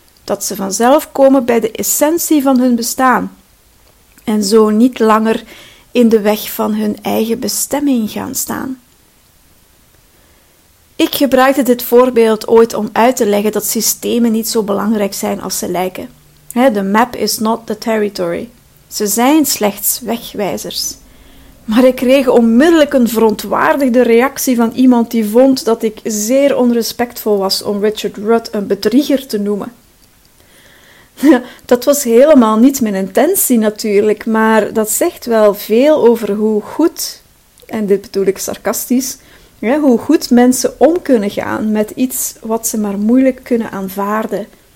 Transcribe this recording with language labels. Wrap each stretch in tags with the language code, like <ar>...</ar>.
<nl>Dat ze vanzelf komen bij de essentie van hun bestaan. En zo niet langer in de weg van hun eigen bestemming gaan staan. Ik gebruikte dit voorbeeld ooit om uit te leggen dat systemen niet zo belangrijk zijn als ze lijken.</nl> <en>The map is not the territory.</en> <nl>Ze zijn slechts wegwijzers. Maar ik kreeg onmiddellijk een verontwaardigde reactie van iemand die vond dat ik zeer onrespectvol was om Richard Rudd een bedrieger te noemen. Dat was helemaal niet mijn intentie natuurlijk, maar dat zegt wel veel over hoe goed, en dit bedoel ik sarcastisch, hoe goed mensen om kunnen gaan met iets wat ze maar moeilijk kunnen aanvaarden.</nl>